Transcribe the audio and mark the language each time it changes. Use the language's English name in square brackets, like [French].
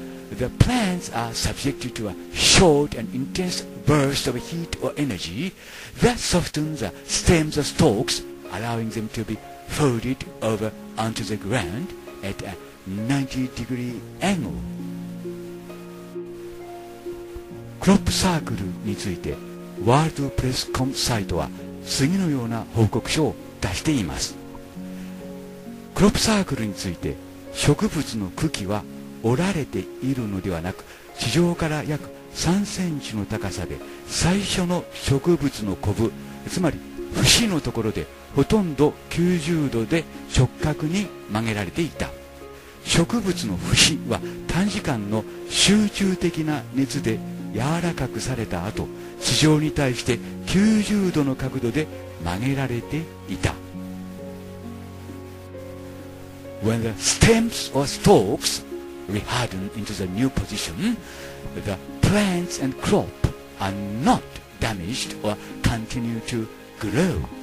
[English] The plants are subjected to a short and intenseburst of heat or energy that softens the stems or stalks, allowing them to be folded over onto the ground at a 90 degree angle. [Japanese] クロップサークルについてワールドプレスコムサイトは次のような報告書を出しています。クロップサークルについて、植物の茎は折られているのではなく、地上から約3センチの高さで最初の植物のコブ、つまり節のところでほとんど90度で直角に曲げられていた。植物の節は短時間の集中的な熱で柔らかくされた後、地上に対して90度の角度で曲げられていた。 [English] When the stems or stalks re-harden into the new position, theplants and crop are not damaged or continue to grow.